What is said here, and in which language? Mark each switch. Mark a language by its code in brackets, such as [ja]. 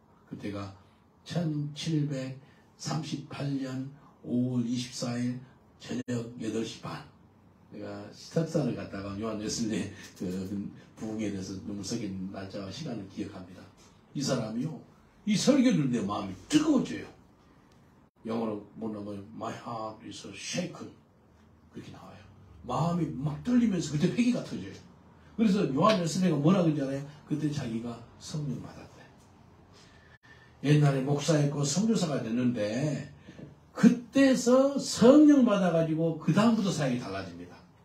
[ko] 그때가 1738년 5월 24일 저녁 8시 반. 내가 스텝사를 갔다가 요한 웨슬리의 부흥에 대해서 눈물 썩인 날짜와 시간을 기억합니다. 이 사람이요. 이 설교를 내 마음이 뜨거워져요. 영어로 뭐라고 [en] My heart is so shaken. [ko] 그렇게 나와요. 마음이 막 떨리면서 그때 패기가 터져요. 그래서 요한 웨슬리가 뭐라 그러잖아요. 그때 자기가 성령 받았어요. 옛날에 목사였고 선교사가 됐는데 그때서 성령 받아가지고 그 다음부터 사역이 달라집니다.